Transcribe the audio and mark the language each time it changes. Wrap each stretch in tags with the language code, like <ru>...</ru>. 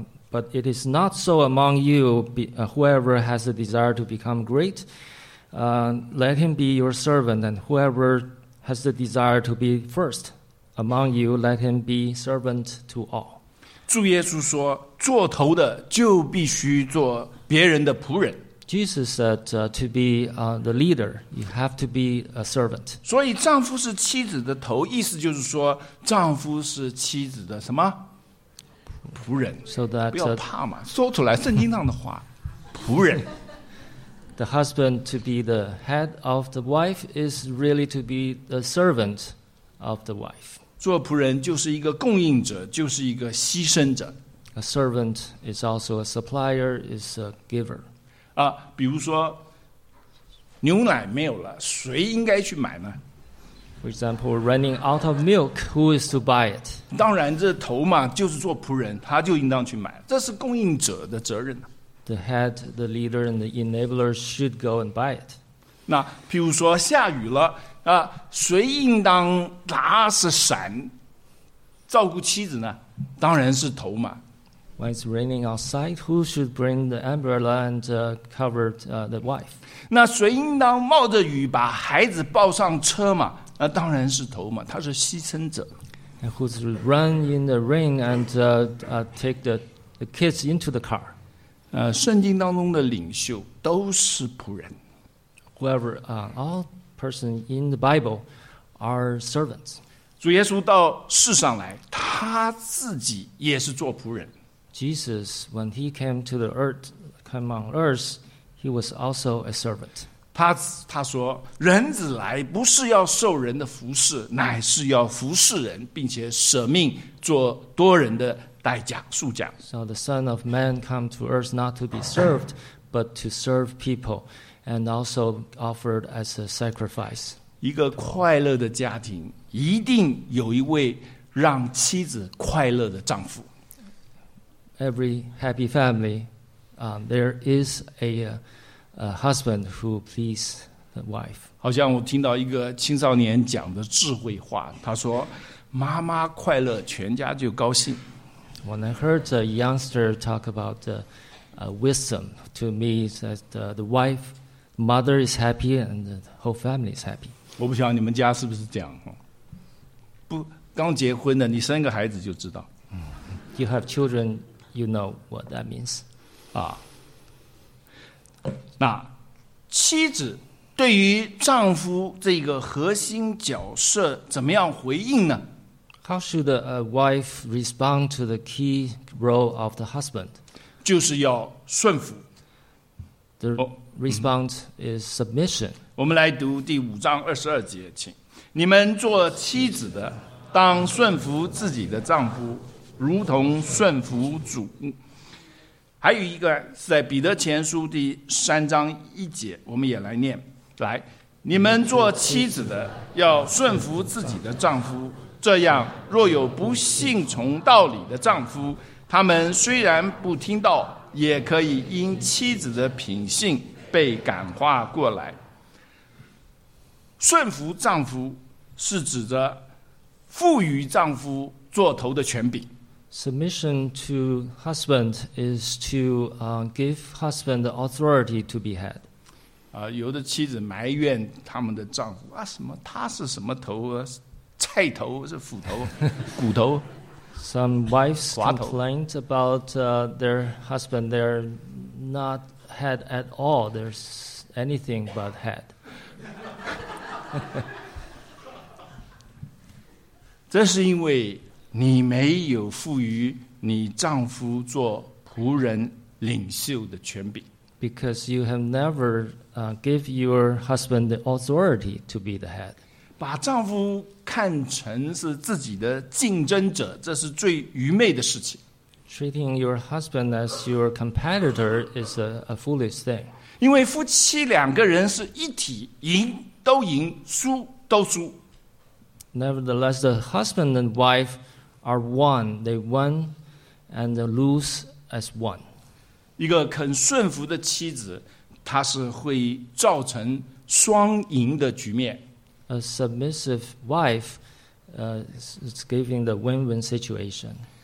<en>But it is not so among you, whoever has a desire to become great, let him be your servant, and whoever has the desire to be firstAmong you, let him be servant to all.</en> <zh>主耶稣说，做头的就必须做别人的仆人。</zh> <en>Jesus said, to be the leader, you have to be a servant.</en> <zh>所以丈夫是妻子的头，意思就是说，丈夫是妻子的什么？仆人。</zh> <en>So that,</en> <zh>不要怕嘛，说出来圣经上的话，仆人。</zh> <en>The husband to be the head of the wife is really to be the servant. Of the wife.</en> <zh>做仆人就是一个供应者，就是一个牺牲者。</zh> <en>A servant is also a supplier, is a giver.</en> <zh>比如说牛奶没有了，谁应该去买呢？</zh> <en>For example, running out of milk, who is to buy it?</en> <zh>当然这头嘛，就是做仆人，他就应当去买，这是供应者的责任。</zh> <en>The head, the leader, and the enabler should go and buy it.</en> <zh>那比如说下雨了谁应当拿着伞照顾妻子呢？当然是头嘛。</zh> <en>When it's raining outside, who should bring the umbrella and cover the wife?</en> <zh>那谁应当冒着雨把孩子抱上车嘛？那当然是头嘛，他是牺牲者。</zh> <en>And who should run in the rain and take the kids into the car?</en> <zh>圣经当中的领袖都是仆人。</zh> <en>Whoever all. Person in the Bible are servants.</en> <zh>主耶稣到世上来，他自己也是做仆人。</zh> <en>Jesus, when he came to the earth, came on earth, he was also a servant.</en> <zh>他说，人子来不是要受人的服侍，乃是要服侍人，并且舍命做多人的代价赎价。</zh> <en>So the Son of Man came to earth not to be served, but to serve people. And also offered as a sacrifice.</en> <zh>一个快乐的家庭一定有一位让妻子快乐的丈夫。</zh> <en>Every happy family, there is a husband who pleases the wife.</en> <zh>好像我听到一个青少年讲的智慧话，他说：“妈妈快乐，全家就高兴。”</zh> <en>When I heard a youngster talk about wisdom, to me, says the wife, mother is happy, and the whole family is happy.</en> <zh>我不晓得你们家是不是这样，不，刚结婚的，你生个孩子就知道。</zh> <en>You have children, you know what that means.</en> <zh>啊，那妻子对于丈夫这个核心角色怎么样回应呢？</zh> <en>How should a wife respond to the key role of the husband?</en> <zh>就是要顺服。</zh> <en>The response is submission.</en> <zh>我们来读第五章二十二节，请。你们做妻子的，当顺服自己的丈夫，如同顺服主。还有一个是在彼得前书第三章一节，我们也来念。来，你们做妻子的要顺服自己的丈夫，这样若有不信从道理的丈夫，他们虽然不听道，也可以因妻子的品性被感化过来。顺服丈夫是指着赋予丈夫做头的权柄。</zh> <en>Submission to husband is to give husband the authority to be head.</en> <zh>有的妻子埋怨他们的丈夫啊，什么他是什么头啊，菜头是斧头，骨头。</zh> <en>Some wives complain about their husband. They're not head at all. There's anything but head.</en> <zh>这是因为你没有赋予你丈夫做仆人领袖的权柄。</zh> <en>Because you have never give your husband the authority to be the head.</en> <zh>把丈夫看成是自己的竞争者，这是最愚昧的事情。</zh> <en>Treating your husband as your competitor is a foolish thing.</en> <zh>因为夫妻两个人是一体，赢都赢，输都输。</zh> <en>Nevertheless, the husband and wife are one. They win and they lose as one.</en> <zh>一个肯顺服的妻子，她是会造成双赢的局面。</zh> <en>A submissive wife is giving the win-win situation.</en>